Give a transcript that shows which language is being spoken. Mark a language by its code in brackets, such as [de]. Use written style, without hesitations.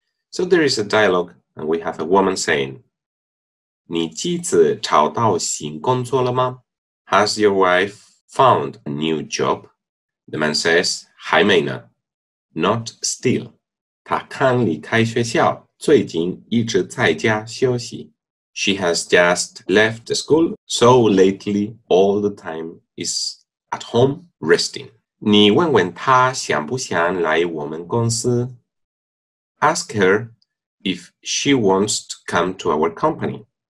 [en] So there is a dialogue, and we have a woman saying, [zh] 你妻子找到新工作了吗? [en] Has your wife found a new job? The man says, [zh] 还没呢。 [en] Not still. [zh] 她刚离开学校,最近一直在家休息. [en] She has just left the school, so lately all the time is at home resting. [zh] 你问问她想不想来我们公司? [en] Ask her if she wants to come to our company.